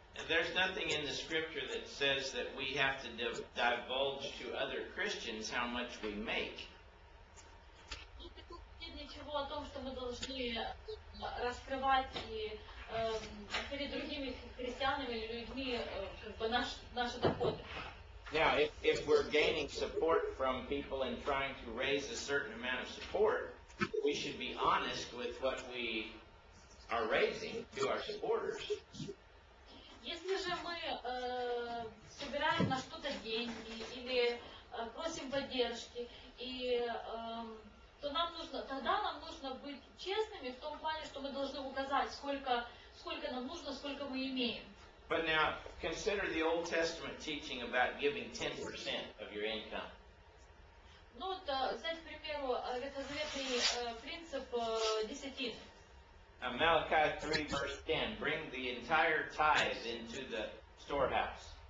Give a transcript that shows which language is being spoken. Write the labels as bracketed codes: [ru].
[en] There's nothing in the scripture that says that we have to divulge to other Christians how much we make. [ru] Ничего о том, что мы должны раскрывать и перед другими христианами или людьми как бы наши доходы. [en] Now, if we're gaining support from people and trying to raise a certain amount of support, we should be honest with what we are raising to our supporters. [ru] Если же мы собираем на что-то деньги или просим поддержки и то нам нужно, тогда нам нужно быть честными в том плане, что мы должны указать, сколько нам нужно, сколько мы имеем. [en] But now, consider the Old Testament teaching about giving 10% of your income. [ru] Ну, вот, взять, к примеру, ветхозаветный принцип десятины. [en] Malachi 3, verse 10, bring the entire tithe into the storehouse.